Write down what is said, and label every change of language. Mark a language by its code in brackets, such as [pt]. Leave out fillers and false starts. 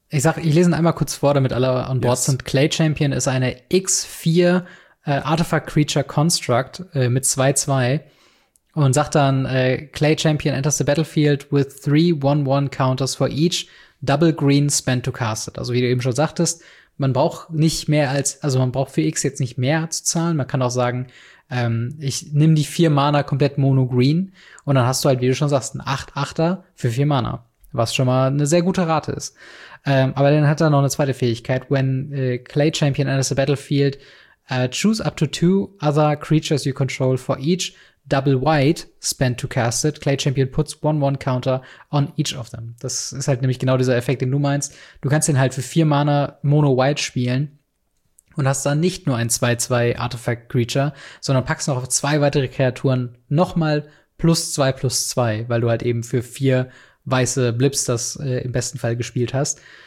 [de] Ich lese ihn einmal kurz vor, damit alle an Bord sind. [en] Clay Champion ist eine X4 Artifact Creature Construct mit 2/2 und sagt dann, Clay Champion enters the battlefield with 3/1/1 counters for each double green spent to cast it. [de] Also wie du eben schon sagtest, man braucht nicht mehr als, also man braucht für X jetzt nicht mehr zu zahlen. Man kann auch sagen, ich nehme die 4 Mana komplett mono green und dann hast du halt, wie du schon sagst, ein 8/8er für 4 Mana. Was schon mal eine sehr gute Rate ist. Aber dann hat er noch eine zweite Fähigkeit. [en] When Clay Champion enters the battlefield, choose up to 2 other creatures you control for each double white spent to cast it. Clay Champion puts 1/1 counter on each of them. [de] Das ist halt nämlich genau dieser Effekt, den du meinst. Du kannst den halt für 4 Mana mono white spielen und hast dann nicht nur ein 2/2 Artifact Creature, sondern packst noch auf 2 weitere Kreaturen nochmal +2/+2, weil du halt eben für 4 weiße Blips das im besten Fall gespielt hast.